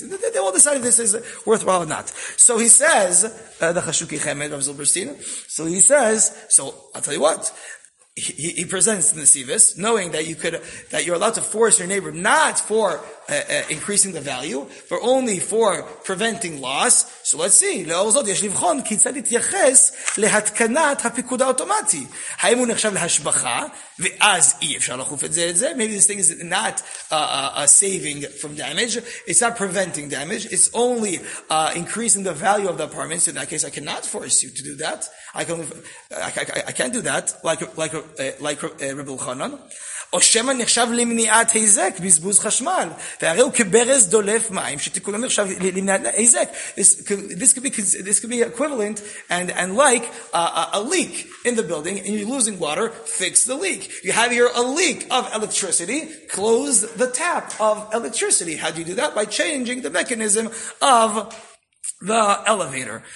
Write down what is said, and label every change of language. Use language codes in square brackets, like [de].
[en] They will decide if this is worthwhile or not. So he says, the Chashuki Chemed of Zilberstein. So he says, so I'll tell you what. He presents the Nesivis, knowing that you're allowed to force your neighbor not for increasing the value, but only for preventing loss. So let's see. [he] לאור זאת, יש לבחון כיצד יתייחס להתקנת הפיקוד האוטומטי. האם הוא נחשב להשבחה, ואז אי אפשר לחוף את זה את זה? [en] Maybe this thing is not a saving from damage. It's not preventing damage. It's only increasing the value of the apartment. So in that case, I cannot force you to do that. I can't do that, like Rebbe Elchanan. [he] או שמא נחשב למניעת היזק, בזבוז חשמל. והרי הוא כברז דולף מים, שתיקולו נחשב למניעת היזק. [en] This could be equivalent and like a leak in the building, and you're losing water, fix the leak. You have here a leak of electricity, close the tap of electricity. How do you do that? By changing the mechanism of the elevator.